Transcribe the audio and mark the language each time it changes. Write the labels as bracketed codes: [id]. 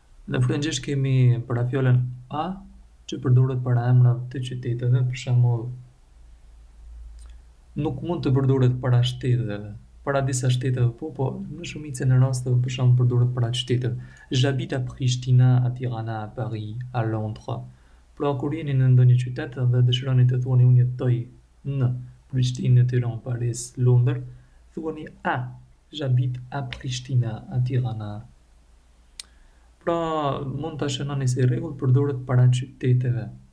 [sq] Në frëngjisht kemi parafjalën A, që përdoret para emrave të qyteteve, për shembull, nuk mund të përdoret para shteteve. Para disa shteteve po në shumicën e rasteve për shembull përdoret para qyteteve. [fr] J'habite à Pristina, à Tirana, à Paris, à Londres. [sq] Pra, kur jeni në ndonjë qytet dhe dëshironi të thuani unë jetoj në Prishtinë, Tiranë, Paris, Londër, thuani A, [fr] j'habite à Prishtina, à Tirana. [sq] Pra, mund të shënoni si rregull përdoret para qyteteve.